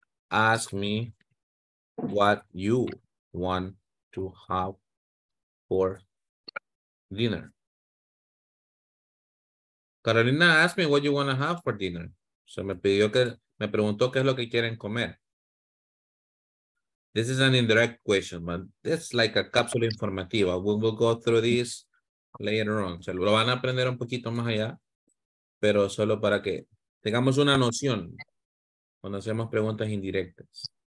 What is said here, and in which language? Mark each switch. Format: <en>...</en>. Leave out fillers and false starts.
<en>Ask me what you want to have for dinner. Carolina, ask me what you want to have for dinner.</en> <es>So me preguntó qué es lo que quieren comer.</es> <en>This is an indirect question, but this is like a</en> <es>cápsula informativa.</es> <en>We will go through this later on.</en> <es>O sea, lo van a aprender un poquito más allá, pero solo para que tengamos una noción cuando hacemos preguntas indirectas.</es>